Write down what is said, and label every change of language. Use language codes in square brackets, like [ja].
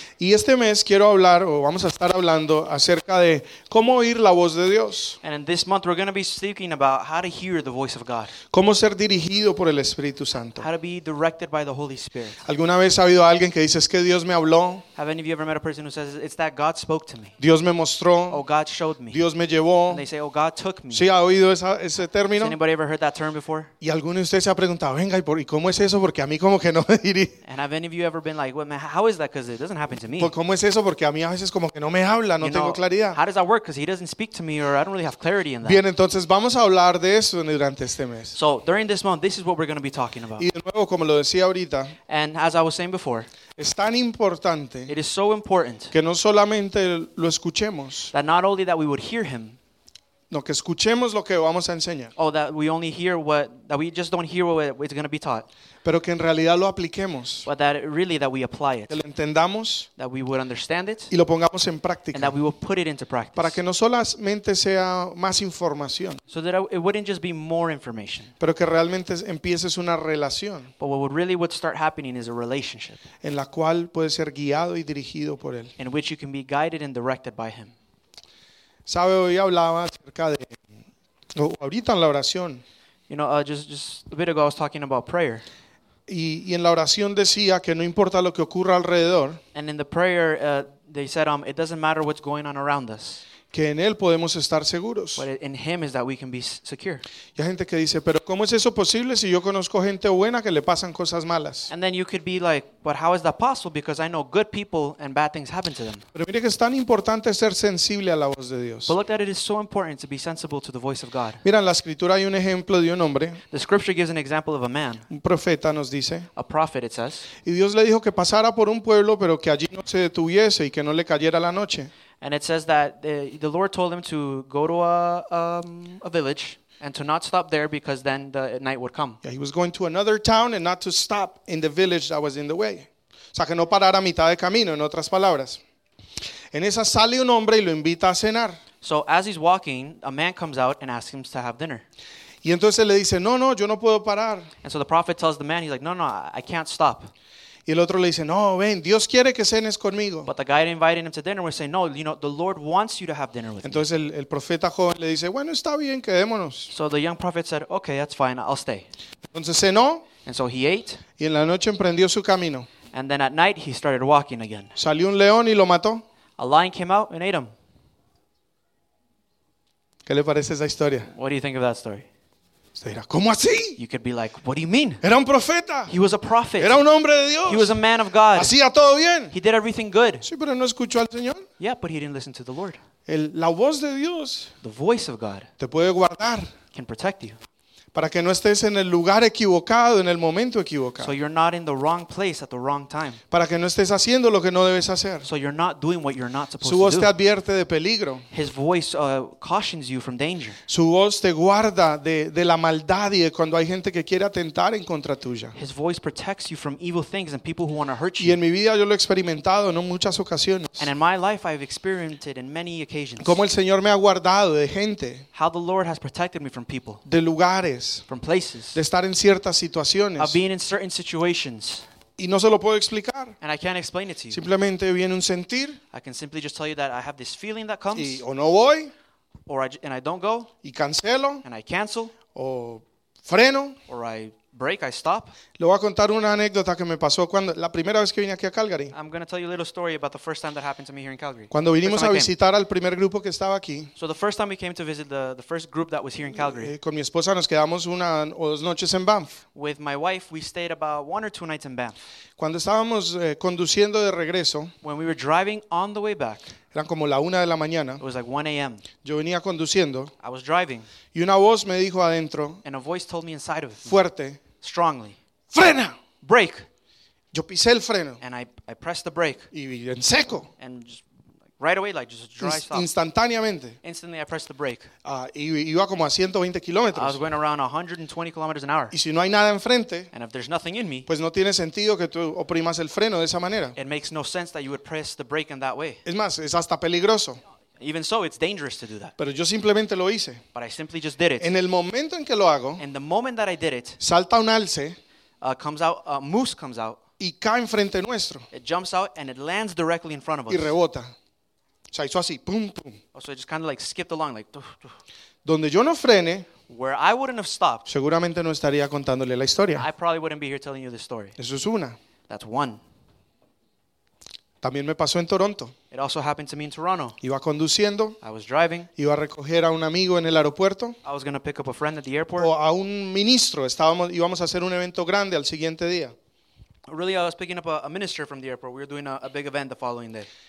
[es] Y este mes quiero hablar, o vamos a estar hablando, acerca de cómo oír la voz de Dios. [en] And in this month we're going to be speaking about how to hear the voice of God. [es] Cómo ser dirigido por el Espíritu Santo. [en] How to be directed by the Holy Spirit. [es] ¿Alguna vez ha habido alguien que dice, es que Dios me habló? [en] Have any of you ever met a person who says, it's that God spoke to me? [es] Dios me mostró. [en] Oh, God showed me. [es] Dios me llevó. [en] And they say, oh, God took me. [es] ¿Sí ha oído ese término? [en] Has anybody ever heard that term before? [es] ¿Y alguno de ustedes se ha preguntado, venga, ¿y cómo es eso? Porque a mí como que no me dirí. [en] And have any of you ever been like, well, man, how is that? Because it doesn't happen to me. [es] ¿Cómo es eso? Porque a mí a veces como que no me habla, no [en] you know, [es] tengo claridad. [en] How does that work? Because he doesn't speak to me or I don't really have clarity in that. [es] Bien, entonces vamos a hablar de eso durante este mes. [en] So, during this month, this is what we're going to be talking about. [es] Y de nuevo, como lo decía ahorita. [en] And as I was saying before. [es] Es tan importante. [en] It is so important. [es] Que no solamente lo escuchemos. [en] That not only that we would hear him. [es] No, que escuchemos lo que vamos a enseñar. [en] Oh, that we only hear what, that we just don't hear what it's going to be taught. [es] Pero que en realidad lo apliquemos. [en] But that really that we apply it. [es] Que lo entendamos. [en] That we would understand it. [es] Y lo pongamos en práctica. [en] And that we will put it into practice. [es] Para que no solamente sea más información. [en] So that it wouldn't just be more information. [es] Pero que realmente empieces una relación. [en] But what would really would start happening is a relationship. [es] En la cual puedes ser guiado y dirigido por él. [en] In which you can be guided and directed by him. [es] Sabe, hoy hablaba acerca de, ahorita en la oración. [en] You know, just a bit ago I was talking about prayer. [es] Y en la oración decía que no importa lo que ocurra alrededor. [en] And in the prayer, they said, it doesn't matter what's going on around us. [es] Que en él podemos estar seguros. [en] But in him is that we can be secure. [es] Y hay gente que dice, pero ¿cómo es eso posible si yo conozco gente buena que le pasan cosas malas? [en] And then you could be like, but how is that possible? Because I know good people and bad things happen to them. [es] Pero mire que es tan importante ser sensible a la voz de Dios. [en] But look that it is so important to be sensible to the voice of God. [es] Mira, en la escritura hay un ejemplo de un hombre. [en] The scripture gives an example of a man. [es] Un profeta nos dice. [en] A prophet, it says. [es] Y Dios le dijo que pasara por un pueblo, pero que allí no se detuviese y que no le cayera la noche. [en] And it says that the Lord told him to go to a village and to not stop there because then the night would come. Yeah, he was going to another town and not to stop in the village that was in the way. [es] O sea, que no parara a mitad de camino, en otras palabras. En esa sale un hombre y lo invita a cenar. [en] So as he's walking, a man comes out and asks him to have dinner. [es] Y entonces le dice, no, no, yo no puedo parar. [en] And so the prophet tells the man, he's like, no, no, I can't stop. [es] Y el otro le dice, no, ven, Dios quiere que cenes conmigo. [en] But the guy inviting him to dinner was saying, no, you know, the Lord wants you to have dinner with [es] Entonces [en] me. [es] Entonces el profeta joven le dice, bueno, está bien, quedémonos. [en] So the young prophet said, okay, that's fine, I'll stay. [es] Entonces cenó. [en] And so he ate. [es] Y en la noche emprendió su camino. [en] And then at night he started walking again. [es] Salió un león y lo mató. [en] A lion came out and ate him. [es] ¿Qué le parece esa historia? [en] What do you think of that story? [es] Usted dirá, ¿cómo así? [en] You could be like, what do you mean? [es] Era un profeta. [en] He was a prophet. [es] Era un hombre de Dios. [en] He was a man of God. [es] Hacía todo bien. [en] He did everything good. [es] Sí, pero no escuchó al Señor. [en] Yeah, but he didn't listen to the Lord. [es] La voz de Dios. [en] The voice of God. [es] Te puede guardar. [en] Can protect you. [es] Para que no estés en el lugar equivocado, en el momento equivocado. [en] So you're not in the wrong place at the wrong time. [es] Para que no estés haciendo lo que no debes hacer. [en] So you're not doing what you're not supposed to [es] Su voz te advierte de peligro. [en] His voice cautions you from danger. [es] Su voz te guarda de la maldad y de cuando hay gente que quiere atentar en contra tuya. [en] His voice protects you from evil things and people who want to hurt you. [es] Y en mi vida yo lo he experimentado en muchas ocasiones. [en] And in my life I've experienced it in many occasions. [es] Cómo el Señor me ha guardado de gente. [en] How the Lord has protected me from people. [es] De lugares. [en] From places, [es] de estar en ciertas situaciones, [en] of being in certain situations, [es] y no se lo puedo explicar, [en] and I can't explain it to you. [es] Simplemente viene un sentir, [en] I can simply just tell you that I have this feeling that comes, [es] y o no voy, [en] or I don't go, [es] y cancelo, [en] and I cancel, [es] o freno, [en] or I break, I stop. [es] Le voy a contar una anécdota que me pasó cuando la primera vez que vine aquí a Calgary. [en] I'm going to tell you a little story about the first time that happened to me here in Calgary. [es] Cuando vinimos a visitar al primer grupo que estaba aquí. [en] So the first time we came to visit the first group that was here in Calgary. [es] Con mi esposa nos quedamos una o dos noches en Banff. [en] With my wife, we stayed about one or two nights in Banff. [es] Cuando estábamos conduciendo de regreso. [en] When we were driving on the way back. [es] Eran como la una de la mañana. [en] It was like 1 a.m. [es] Yo venía conduciendo. [en] I was driving. [es] Y una voz me dijo adentro. [en] And a voice told me inside of me. [es] Fuerte. [en] Strongly. [es] Frena. [en] Brake. [es] Yo pisé el freno. [en] And I pressed the brake. [es] Y en seco. [en] And just right away, like just dry stop. [es] Instantáneamente. [en] Instantly I pressed the brake. [es] Y iba como a 120 kilómetros. [en] I was going around 120 kilometers an hour. [es] Y si no hay nada enfrente. [en] And if there's nothing in me. [es] Pues no tiene sentido que tú oprimas el freno de esa manera. [en] It makes no sense that you would press the brake in that way. [es] Es más, es hasta peligroso. [en] Even so, it's dangerous to do that. [es] Pero yo simplemente lo hice. [en] But I simply just did it. [es] En el momento en que lo hago, [en] and the moment that I did it, [es] salta un alce, [en] comes out, a moose comes out. [es] Y cae enfrente nuestro. [en] It jumps out and it lands directly in front of us. [es] Y rebota. O sea, hizo así, pum, pum. [en] So it just kind of like skipped along, like. Tuff, tuff. [es] Donde yo no frene. [en] Where I wouldn't have stopped. [es] Seguramente no estaría contándole la historia. [en] I probably wouldn't be here telling you this story. [es] Eso es una. [en] That's one. [es] También me pasó en Toronto. [en] It also happened to me in Toronto. [es] Iba conduciendo. [en] I was driving. [es] Iba a recoger a un amigo en el aeropuerto. [en] I was going to pick up a friend at the airport. [es] O a un ministro. Íbamos a hacer un evento grande al siguiente día. [en] Really, I was picking up a minister from the airport. We were doing a big event the following day.